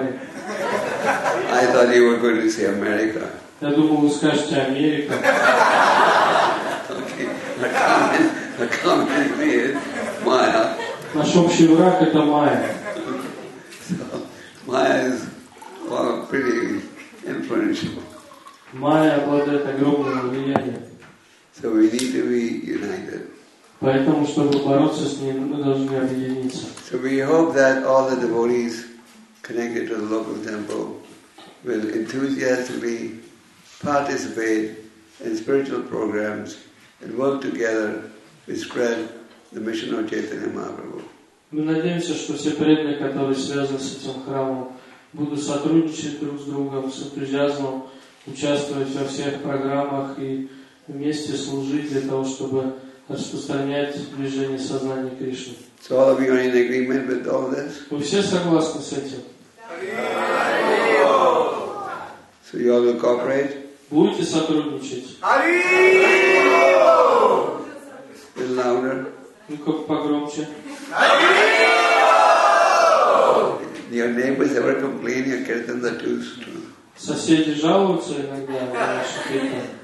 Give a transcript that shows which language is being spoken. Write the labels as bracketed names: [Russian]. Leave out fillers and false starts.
[English] I thought you were going to say America. [Russian] Я думал, вы скажете Америка. [English] Okay. The common enemy is Maya. [Russian] Наш общий враг это Майя. [English] So Maya is pretty influential. [Russian] Майя обладает огромным влиянием. [English] So we need to be united. [Russian] Поэтому, чтобы бороться с ним, мы должны объединиться. [English] So we hope that all the devotees connected to the local temple will enthusiastically participate in spiritual programs and work together to spread the mission of Chaitanya Mahaprabhu. [Russian] Мы надеемся, что все преданные, которые связаны с этим храмом, будут сотрудничать друг с другом, с энтузиазмом, участвовать во всех программах и вместе служить для того, чтобы распространять движение сознания Кришны. [English] So all of you are in agreement with all this? [Russian] Вы все согласны с этим? [English] So you all will cooperate? [Russian] Будете сотрудничать? [English] Little louder. [Russian] Ну-ка погромче. [English] Your neighbors ever complain your kirtans are too strong? [Russian] Соседи жалуются иногда на ваши кирты.